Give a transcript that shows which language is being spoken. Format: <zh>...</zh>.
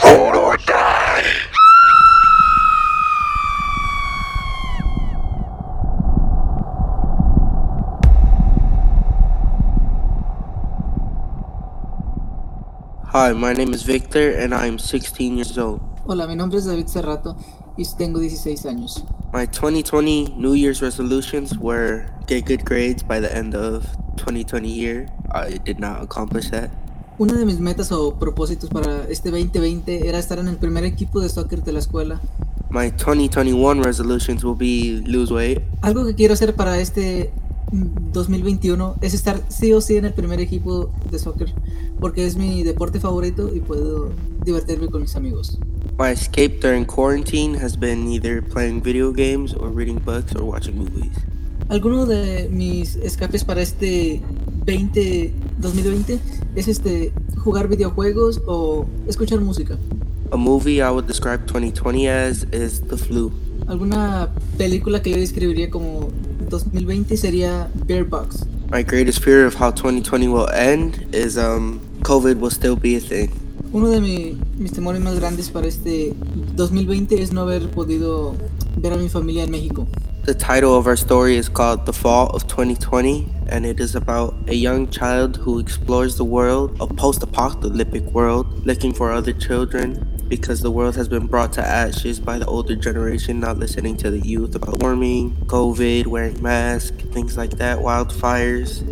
<en>Vote or die. Hi, my name is Victor and I'm 16 years old.</en> <es>Hola, mi nombre es David Serrato y tengo 16 años.</es> <en>My 2020 New Year's resolutions were get good grades by the end of 2020 year. I did not accomplish that.</en> <es>Una de mis metas o propósitos para este 2020 era estar en el primer equipo de soccer de la escuela.</es> <en>My 2021 resolutions will be lose weight.</en> <es>Algo que quiero hacer para este 2021 es estar sí o sí en el primer equipo de soccer, porque es mi deporte favorito y puedo divertirme con mis amigos.</es> <en>My escape during quarantine has been either playing video games or reading books or watching movies.</en> <es>Alguno de mis escapes para este 2020 es jugar videojuegos o escuchar música.</es> <en>A movie I would describe 2020 as is The Flu.</en> <es>Alguna película que yo describiría como 2020 sería Bear Box.</es> <en>My greatest fear of how 2020 will end is COVID will still be a thing.</en> <es>Uno de mis temores más grandes para este 2020 es no haber podido ver a mi familia en México.</es> <en>The title of our story is called The Fall of 2020, and it is about a young child who explores the world, a post-apocalyptic world, looking for other children, because the world has been brought to ashes by the older generation not listening to the youth about warming, COVID, wearing masks, things like that, wildfires.</en>